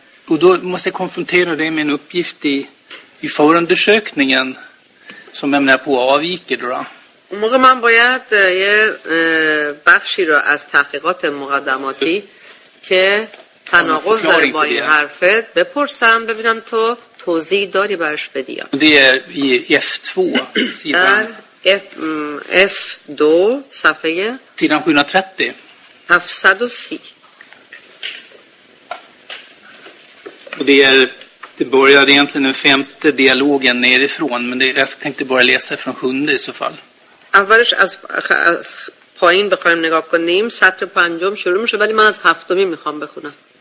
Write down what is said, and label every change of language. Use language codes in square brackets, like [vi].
[sv] Och då måste jag konfrontera dig med en uppgift i förundersökningen som ämnar på avviker då. [fa] اون موقع من باید یه بخشی رو از تحقیقات مقدماتی که تناقض داره با این حرفت بپرسم ببینم تو توضیح داری برش بدی. [sv] Det är F2 sidan. [fa] F2 صفحه [sv] 730. [fa] 730. [sv] Och det är det börjar egentligen den femte dialogen nerifrån, men det, jag tänkte bara läsa från sjunde i så fall. [fa] اولش از پایین بخوایم نگاه کنیم سطر پنجم شروع میشه ولی من از هفتمی میخوام بخونم.